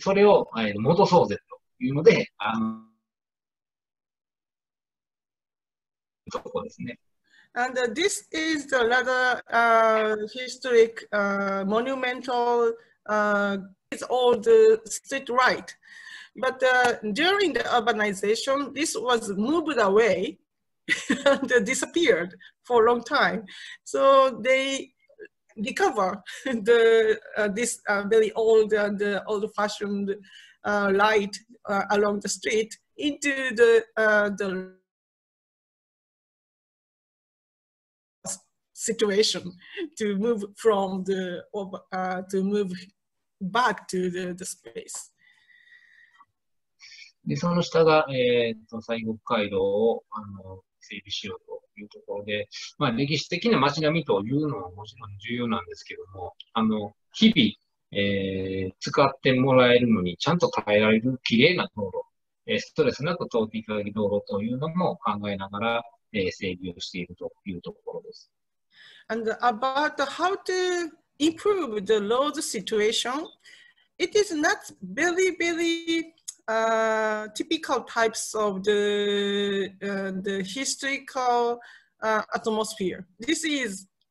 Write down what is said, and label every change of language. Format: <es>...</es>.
<ja>で、それを、戻そうぜというので、ところですね。</ja> <en>And this is the rather historic monumental, it's all the street right. But during the urbanization, this was moved away and disappeared for a long time. So they recover the, this very old and old fashioned light along the street into the situation to move from the to move back to the space.</en> <ja>でその下が西国街道を整備しようというところで、まあ歴史的な街並みというのはもちろん重要なんですけども、日々、使ってもらえるのにちゃんと耐えられる綺麗な道路、ストレスなく通っていただける道路というのも考えながら、整備をしているというところです。</ja> <en>And about how to improve the road situation, it is not very, very typical types of the historical atmosphere. This is</en>